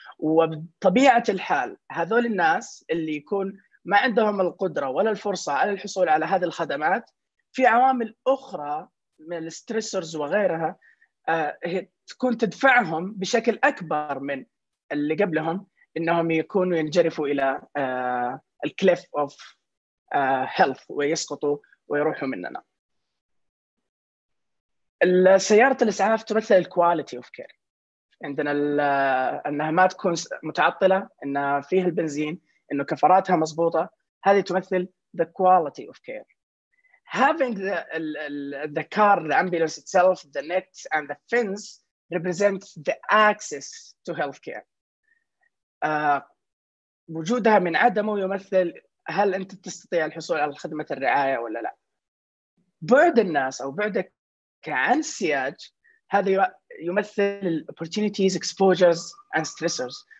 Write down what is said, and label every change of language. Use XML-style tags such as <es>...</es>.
<ar>وبطبيعة الحال هذول الناس اللي يكون ما عندهم القدرة ولا الفرصة على الحصول على هذه الخدمات, في عوامل أخرى من الستريسرز وغيرها تكون تدفعهم بشكل أكبر من اللي قبلهم إنهم يكونوا ينجرفوا إلى الكليف of health ويسقطوا ويروحوا مننا. سيارة الإسعاف تمثل الكواليتي أوف كير عندنا، أنها ما تكون متعطلة، أن فيها البنزين، أنه كفراتها مضبوطة، هذه تمثل</ar> <en>the quality of care. Having the car, the ambulance itself, the net and the fins represent the access to healthcare.</en> <ar>وجودها من عدمه يمثل هل أنت تستطيع الحصول على خدمة الرعاية ولا لا. بعد الناس أو بعدك عن السياج هذا يمثل</ar> <en>opportunities, exposures and stressors.</en>